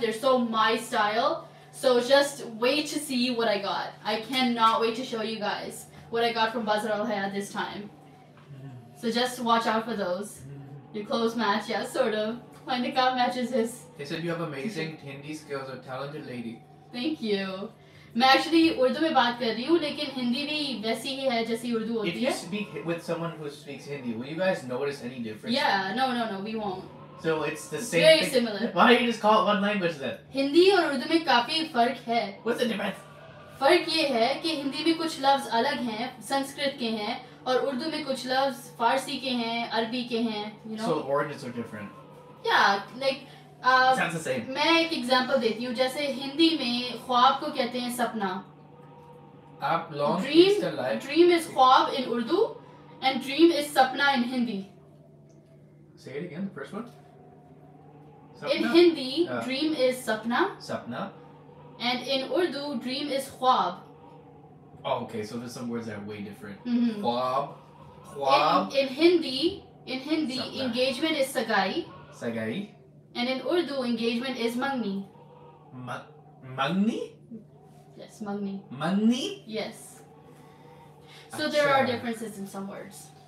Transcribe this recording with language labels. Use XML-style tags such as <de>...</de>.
<en>They're so my style. So just wait to see what I got. I cannot wait to show you guys what I got from Bazar Al Haya this time. So just watch out for those. Your clothes match, yeah, sort of. My niqab matches his. They said you have amazing Hindi skills, a talented lady. Thank you.</en> <hi>मैं</hi> <en>actually</en> <hi>Urdu में बात कर रही हूँ लेकिन हिंदी भी वैसी ही है जैसी उर्दू होती है।</hi> <en>If you speak with someone who speaks Hindi, will you guys notice any difference? Yeah, no, we won't. So it's the it's same. Very thing. Similar. Why don't you just call it one language then?</en> <hi>Hindi और उर्दू में काफी फर्क है।</hi> <en>What's the difference?</en> <hi>फर्क ये है कि हिंदी में कुछ लफ्ज अलग हैं संस्कृत के हैं और उर्दू में कुछ लफ्ज फारसी के हैं अरबी के हैं</hi> <en>you know? So origins are different. Yeah, like. Sounds the same.</en> <hi>मैं एक एग्जांपल देती हूँ जैसे हिंदी में ख्वाब को कहते हैं सपना आप लॉन्ग</hi> <en>dream dream is ख्वाब in Urdu and dream is सपना in Hindi say it again the first one in Hindi dream is सपना</en> <hi>सपना</hi> <en>And in Urdu dream is ख्वाब okay so there some words are way different ख्वाब ख्वाब in Hindi engagement is सगाई And in Urdu, engagement is mangni. Mangni? Yes, mangni. Mangni? Yes. So there are differences in some words.</en>